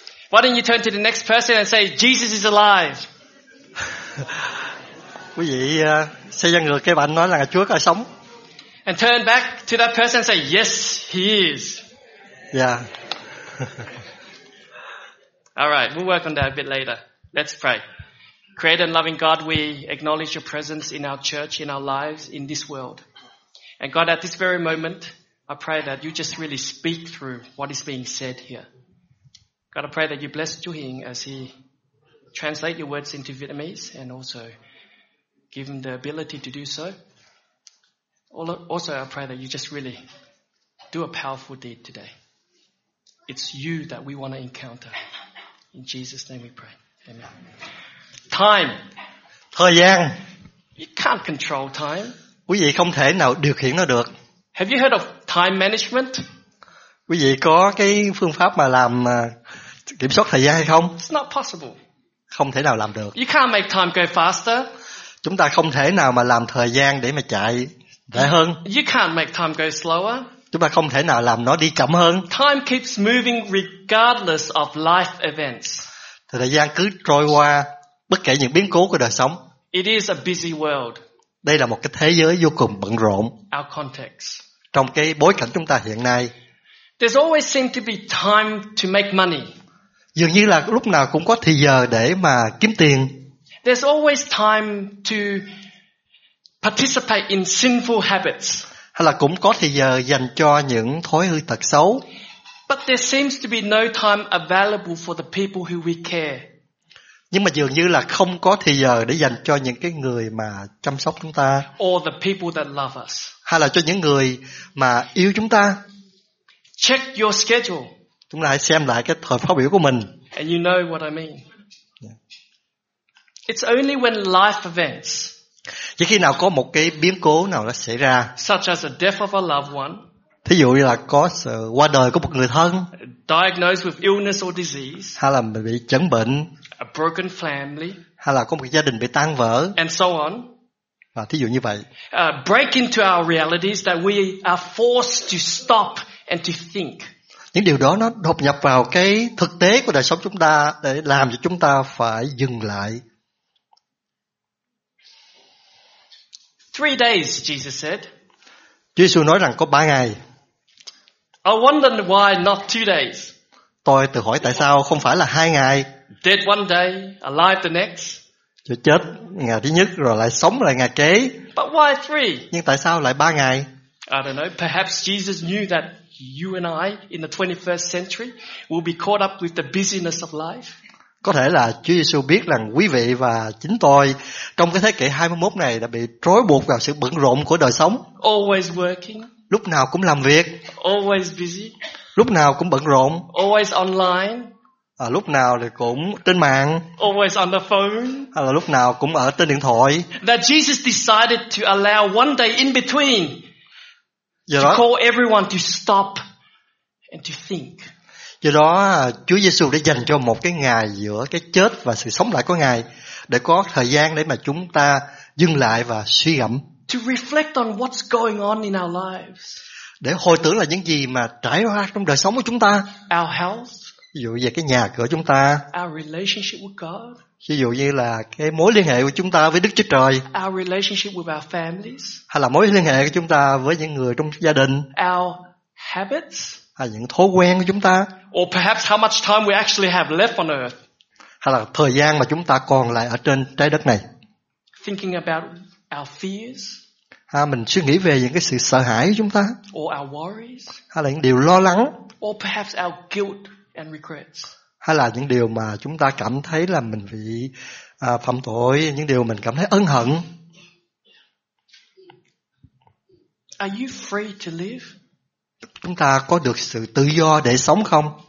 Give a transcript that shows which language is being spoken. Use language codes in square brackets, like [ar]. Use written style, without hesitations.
[en] Why don't you turn to the next person and say, Jesus is alive? [vi] Quý vị sẽ dâng được cái bánh nói là Chúa còn sống. [en] And turn back to that person and say, yes, he is. Yeah. All right, we'll work on that a bit later. Let's pray. Creator and loving God, we acknowledge your presence in our church, in our lives, in this world. And God, at this very moment, I pray that you just really speak through what is being said here. God, I pray that you bless Chu Hing as he translates your words into Vietnamese and also give him the ability to do so. Also, I pray that you just really do a powerful deed today. It's you that we want to encounter. In Jesus' name we pray. Amen. Time. [vi] Thời gian. [en] You can't control time. [vi] Quý vị không thể nào điều khiển nó được. [en] Have you heard of time management? [vi] Quý vị có cái phương pháp mà làm kiểm soát thời gian hay không? [en] It's not possible. [vi] Không thể nào làm được. [en] You can't make time go faster. [vi] Chúng ta không thể nào mà làm thời gian để mà chạy rẻ hơn. [en] You can't make time go slower. [vi] Chúng ta không thể nào làm nó đi chậm hơn. [en] Time keeps moving regardless of life events. [vi] Thời gian cứ trôi qua bất kể những biến cố của đời sống. [en] It is a busy world. [vi] Đây là một cái thế giới vô cùng bận rộn. [en] Our context. [vi] Trong cái bối cảnh chúng ta hiện nay. [en] There's always seem to be time to make money. [vi] Dường như là lúc nào cũng có thời giờ để mà kiếm tiền. [en] There's always time to participate in sinful habits. [vi] Hay là cũng có thời giờ dành cho những thói hư tật xấu. [en] But there seems to be no time available for the people who we care. [vi] Nhưng mà dường như là không có thời giờ để dành cho những cái người mà chăm sóc chúng ta. [en] Or the people that love us. [vi] Hay là cho những người mà yêu chúng ta. [en] Check your schedule. [vi] Chúng ta hãy xem lại cái thời khóa biểu của mình. [en] And you know what I mean. It's only when life events. [vi] Chỉ khi nào có một cái biến cố nào đó xảy ra. [en] Such as the death of a loved one. [vi] Thí dụ như là có sự qua đời của một người thân. [en] Diagnosed with illness or disease. [vi] Hay là bị chấn bệnh. [en] A broken family. [vi] Hay là có một gia đình bị tan vỡ. [en] And so on. [vi] Và thí dụ như vậy. [en] Break into our realities that we are forced to stop and to think. [vi] Những điều đó nó đột nhập vào cái thực tế của đời sống chúng ta để làm cho chúng ta phải dừng lại. [en] 3 days, Jesus said. [vi] Chúa Giêsu nói rằng có 3 ngày. [en] I wonder why not 2 days. [vi] Tôi tự hỏi tại sao không phải là 2 ngày. [en] Dead one day, alive the next. [vi] Chúa chết ngày thứ nhất rồi lại sống lại ngày kế. [en] But why 3? [vi] Nhưng tại sao lại 3 ngày? [en] I don't know. Perhaps Jesus knew that you and I in the 21st century will be caught up with the busyness of life. [vi] Có thể là Chúa Giêsu biết rằng quý vị và chính tôi trong cái thế kỷ 21 này đã bị trói buộc vào sự bận rộn của đời sống. [en] Always working. [vi] Lúc nào cũng làm việc. [en] Always busy. [vi] Lúc nào cũng bận rộn. [en] Always online. [vi] À, lúc nào thì cũng trên mạng. [en] Always on the phone. [vi] Hay là lúc nào cũng ở trên điện thoại. [en] That Jesus decided to allow one day in between. Do to [vi] đó. [en] Call everyone to stop and to think. [vi] Do đó Chúa Giêsu đã dành cho một cái ngày giữa cái chết và sự sống lại của Ngài để có thời gian để mà chúng ta dừng lại và suy gẫm. [en] To reflect on what's going on in our lives. [vi] Để hồi tưởng là những gì mà trải qua trong đời sống của chúng ta. [en] Our health. [vi] Ví dụ về cái nhà cửa chúng ta. [en] Our relationship with God. [vi] Ví dụ như là cái mối liên hệ của chúng ta với Đức Chúa Trời. [en] Our relationship with our families. [vi] Hay là mối liên hệ của chúng ta với những người trong gia đình. [en] Our habits. [vi] hay những thói quen của chúng ta, [en] or perhaps how much time we actually have left on earth, [vi] hay là thời gian mà chúng ta còn lại ở trên trái đất này. [en] Thinking about our fears, [vi] ha, mình suy nghĩ về những cái sự sợ hãi của chúng ta, [en] or our worries, [vi] hay là những điều lo lắng, [en] or perhaps our guilt and regrets, [vi] hay là những điều mà chúng ta cảm thấy là mình bị phạm tội, những điều mình cảm thấy ân hận. [en] Are you free to live? [vi] Chúng ta có được sự tự do để sống không?